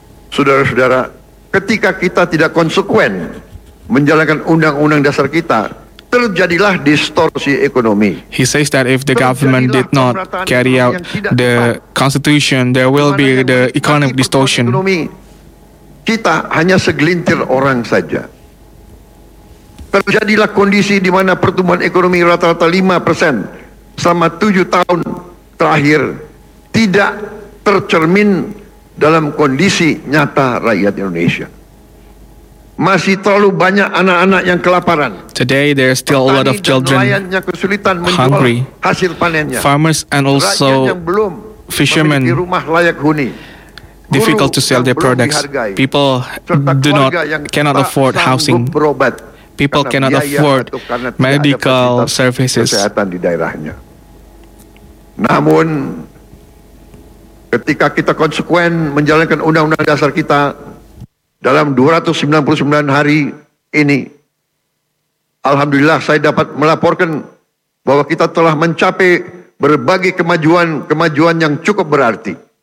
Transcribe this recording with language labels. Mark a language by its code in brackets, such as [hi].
[id] Saudara-saudara, ketika kita tidak konsekuen menjalankan undang-undang dasar kita, terjadilah distorsi ekonomi. [en] He says that if the government did not carry out the constitution, there will be the economic distortion. [id] Kita hanya segelintir orang saja. Terjadilah kondisi di mana pertumbuhan ekonomi rata-rata 5% selama 7 tahun terakhir tidak tercermin dalam kondisi nyata rakyat Indonesia. Masih terlalu banyak anak-anak yang kelaparan. [en] Today there are still [id] petani [en] a lot of children hungry. [id] Hasil panennya. [en] Farmers and also fishermen [id] rumah layak huni. [en] Difficult to sell their products. People do not cannot afford housing. People cannot afford medical services. [id] Kesehatan di daerahnya. Namun ketika kita konsekuen menjalankan undang-undang dasar kita dalam 299 hari ini, alhamdulillah saya dapat melaporkan bahwa kita telah mencapai berbagai kemajuan-kemajuan yang cukup berarti.